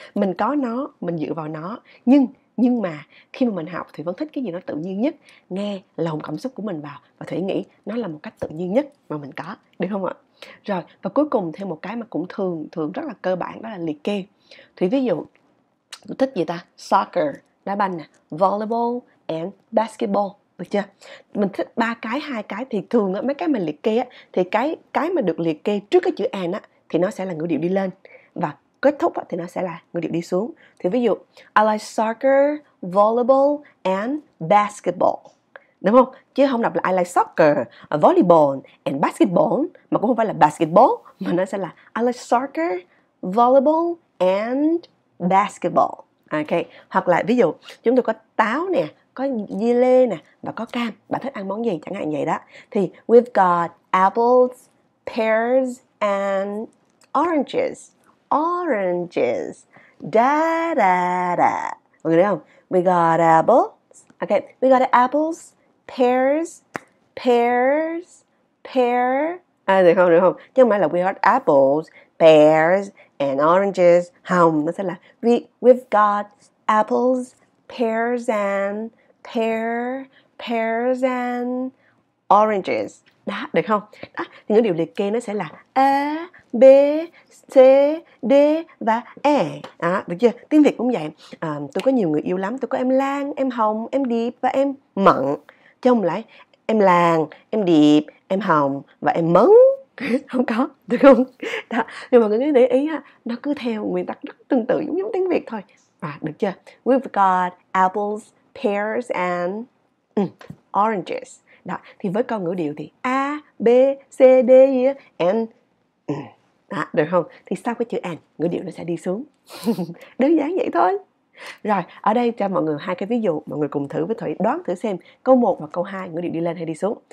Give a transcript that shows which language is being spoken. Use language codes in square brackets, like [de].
[vi] Mình có nó, mình dựa vào nó, nhưng mà khi mà mình học thì vẫn thích cái gì nó tự nhiên nhất, nghe lồng cảm xúc của mình vào, và Thủy nghĩ nó là một cách tự nhiên nhất mà mình có, được không ạ? Rồi, và cuối cùng thêm một cái mà cũng thường rất là cơ bản, đó là liệt kê. Thủy ví dụ, tôi thích gì ta? [en] Soccer, [vi] đá banh, [en] volleyball and basketball. [vi] Được chưa? Mình thích ba cái, hai cái thì thường á, mấy cái mà liệt kê á, thì cái mà được liệt kê trước cái chữ and á thì nó sẽ là ngữ điệu đi lên, và kết thúc á thì nó sẽ là ngữ điệu đi xuống. Thì ví dụ [en] I like soccer, volleyball and basketball. [vi] Đúng không? Chứ không đọc là [en] I like soccer, volleyball and basketball, [vi] mà cũng không phải là basketball, mà nó sẽ là I like soccer, volleyball and basketball. Ok. Hoặc là ví dụ chúng tôi có táo nè, có dưa lê nè, và có cam. Bạn thích ăn món gì? Chẳng hạn vậy đó. [en] Thì we've got apples, pears and oranges. [vi] Oranges. Da da da. Mọi người thấy không? [en] We got apples. Okay. We got apples, pears, pears, pear. [vi] À, được không? Được không? Chứ không phải là [en] we got apples, pears and oranges. [vi] Không. Nó sẽ là [en] we've got apples, pears and pears and oranges. [vi] Đó, được không? Đó, thì những điều liệt kê nó sẽ là A, B, C, D và E. Đó, được chưa? Tiếng Việt cũng vậy. À, tôi có nhiều người yêu lắm. Tôi có em Lan, em Hồng, em Điệp và em Mận. Trong lại, em Lan, em Điệp, em Hồng và em Mấn. Không có, được không? Đó, nhưng mà mọi người để ý á, nó cứ theo nguyên tắc rất tương tự giống tiếng Việt thôi. À, được chưa? [en] We've got apples, pears and oranges. [vi] Đó, thì với câu ngữ điệu thì A, B, C, D and đó, được không? Thì sau cái chữ and, ngữ điệu nó sẽ đi xuống. Đơn giản vậy thôi. Rồi, ở đây cho mọi người hai cái ví dụ, mọi người cùng thử với Thủy đoán thử xem câu 1 và câu 2 ngữ điệu đi lên hay đi xuống.